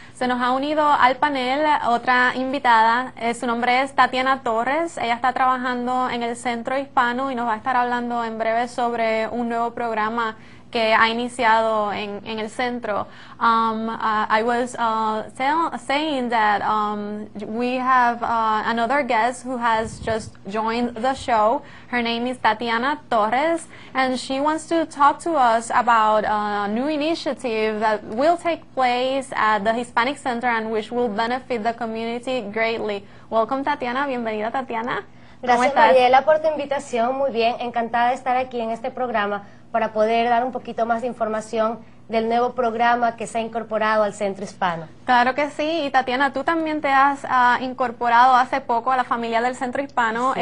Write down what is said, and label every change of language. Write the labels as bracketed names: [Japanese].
[Spanish] Se nos ha unido al panel otra invitada. Su nombre es Tatiana Torres. Ella está trabajando en el Centro Hispano y nos va a estar hablando en breve sobre un nuevo programa que ha iniciado en el centro. [English] I was saying that we have another guest who has just joined the show. Her name is Tatiana Torres, and she wants to talk to us about a new initiative that will take place at the Hispanic Center and which will benefit the community greatly. Welcome, Tatiana. [Spanish] Bienvenida, Tatiana. Gracias, Mariela, por tu invitación. Muy bien. Encantada de estar aquí en este programa para poder dar un poquito más de información del nuevo programa que se ha incorporado al Centro Hispano. Claro que sí. Y Tatiana, tú también te has incorporado hace poco a la familia del Centro Hispano. Así